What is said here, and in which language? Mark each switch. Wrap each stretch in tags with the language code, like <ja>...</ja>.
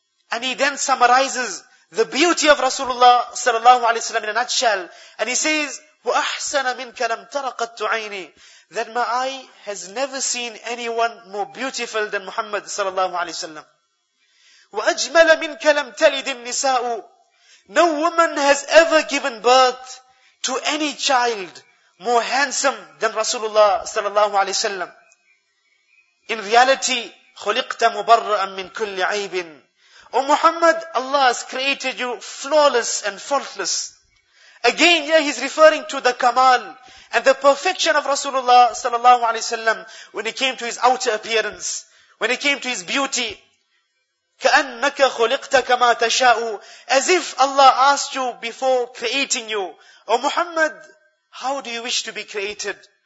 <en>And he then summarizes the beauty of Rasulullah sallallahu alaihi wasallam in a nutshell, and he says,</en> <ar>وَأَحْسَنَ مِنْكَ لَمْ تَرَقَتْتُ عَيْنِي,</ar> <en>that my eye has never seen anyone more beautiful than Muhammad sallallahu alaihi wasallam.</en> <ar>وَأَجْمَلَ مِنْكَ لَمْ تَلِدِ النِّسَاءُ,</ar> <en>no woman has ever given birth to any child more handsome than Rasulullah sallallahu alaihi wasallam. In reality,</en> <ar>خُلِقْتَ مُبَرَّأً مِنْ كُلِّ عَيْبٍ.</ar> <en>O Muhammad, Allah has created you flawless and faultless. Again, here he's referring to the kamal and the perfection of Rasulullah sallallahu alaihi wasallam when it came to his outer appearance, when it came to his beauty.</en> <ar>كَأَنَّكَ خُلِقْتَ كَمَا تَشَاءُ,</ar> <en>as if Allah asked you before creating you, O Muhammad, how do you wish to be created?</en>